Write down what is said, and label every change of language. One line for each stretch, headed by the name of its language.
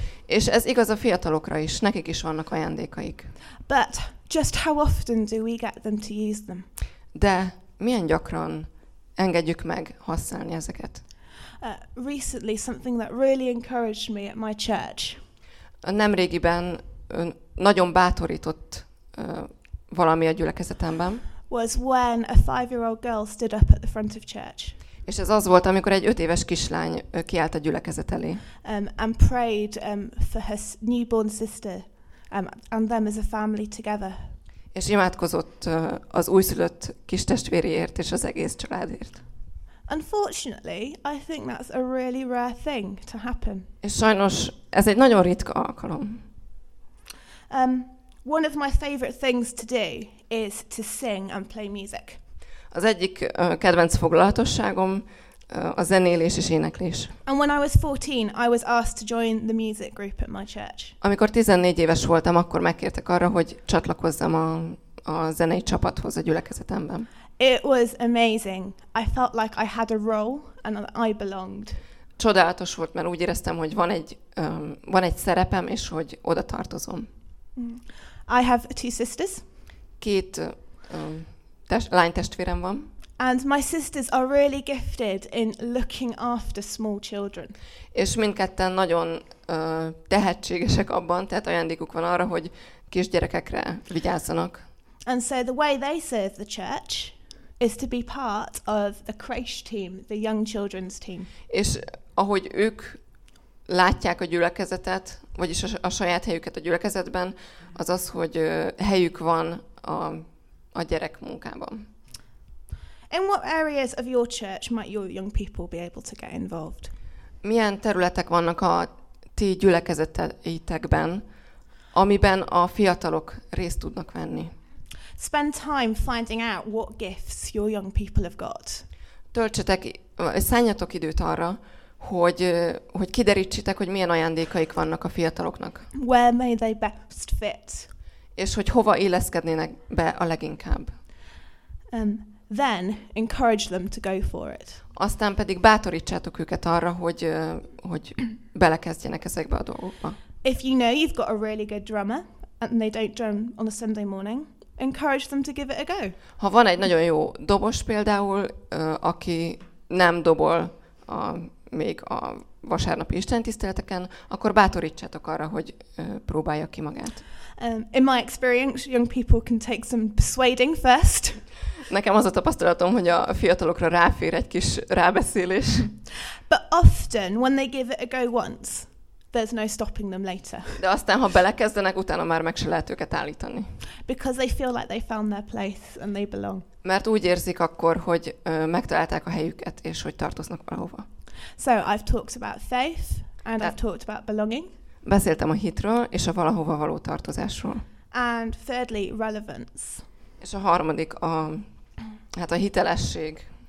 Hungarian: És ez igaz a fiatalokra is. Nekik is vannak ajándékaik.
English: But just how often do we get them to use them?
Hungarian: De milyen gyakran engedjük meg használni ezeket?
English: Recently something that really encouraged me at my church.
Hungarian: Nemrégiben nagyon bátorított valami a gyülekezetemben.
English: Was when a 5-year-old girl stood up at the front of church.
Hungarian: És ez az volt, amikor egy 5 éves kislány kiállt a gyülekezet elé.
English: And prayed for her newborn sister and them as a family together.
Hungarian: És imádkozott az újszülött kistestvériért és az egész családért.
English: Unfortunately, I think that's a really rare thing to happen.
Hungarian: És sajnos ez egy nagyon ritka alkalom.
English: One of my favorite things to do is to sing and play music.
Hungarian: Az egyik kedvenc foglalatosságom a zenélés és éneklés.
English: And when I was 14, I was asked to join the music group at my church.
Hungarian: Amikor 14 éves voltam, akkor megkértek arra, hogy csatlakozzam a zenei csapathoz a gyülekezetemben.
English: It was amazing. I felt like I had a role and I belonged.
Hungarian: Csodálatos volt, mert úgy éreztem, hogy van egy szerepem és hogy oda tartozom.
English: I have 2 sisters.
Hungarian: Két lány testvérem van.
English: And my sisters are really gifted in looking after small children.
Hungarian: És mindketten nagyon tehetségesek abban, tehát ajándékuk van arra, hogy kisgyerekekre vigyázzanak.
English: And so the way they serve the church is to be part of the creche team, the young children's team.
Hungarian: És ahogy ők látják a gyülekezetet, vagyis a saját helyüket a gyülekezetben, az, hogy helyük van a gyerek munkában.
English: In what areas of your church might your young people be able to get involved?
Hungarian: Milyen területek vannak a ti gyülekezeteitekben, amiben a fiatalok részt tudnak venni?
English: Spend time finding out what gifts your young people have got.
Hungarian: Töltsetek, szálljatok időt arra, hogy kiderítsétek, hogy milyen ajándékaik vannak a fiataloknak.
English: Where may they best fit?
Hungarian: És hogy hova illeszkednének be a leginkább.
English: Then encourage them to go for it.
Hungarian: Aztán pedig bátorítsátok őket arra, hogy belekezdjenek ezekbe a dolgokba.
English: If you know you've got a really good drummer and they don't drum on a Sunday morning, encourage them to give it a go.
Hungarian: Ha van egy nagyon jó dobos például, aki nem dobol még a vasárnapi istentiszteleteken, akkor bátorítsátok arra, hogy próbálja ki magát.
English: In my experience, young people can take some persuading first.
Hungarian: Nekem az a tapasztalatom, hogy a fiatalokra ráfér egy kis rábeszélés.
English: But often, when they give it a go once, there's no stopping them later.
Hungarian: De aztán, ha belekezdenek, utána már meg se lehet őket állítani.
English: Because they feel like they found their place and they belong.
Hungarian: Mert úgy érzik akkor, hogy megtalálták a helyüket, és hogy tartoznak valahova.
English: So I've talked about faith and I've talked about belonging.
Hungarian: Beszéltem a hitről és a valahova való tartozásról.
English: And thirdly, relevance.
Hungarian: És a harmadik a hitelesség.